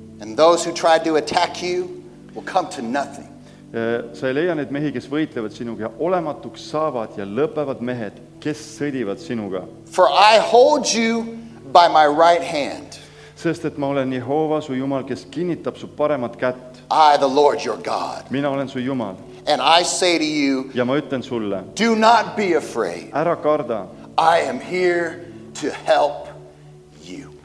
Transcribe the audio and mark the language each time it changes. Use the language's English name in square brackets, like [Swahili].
[English] And those who tried to attack you will come to nothing. [Estonian] Sa ei leia neid mehi, kes võitlevad sinuga ja olematuks saavad ja lõpevad mehed, kes sõdivad sinuga. [English] For I hold you by my right hand. [Estonian] Sest et ma olen Jehova su Jumal, kes kinnitab su paremat kätt. [English] I the Lord your God. [Estonian] Mina olen su Jumal. [English] And I say to you. [Estonian] Ja ma ütlen sulle. [English] Do not be afraid. [Estonian] Ära karda. [English] I am here to help you.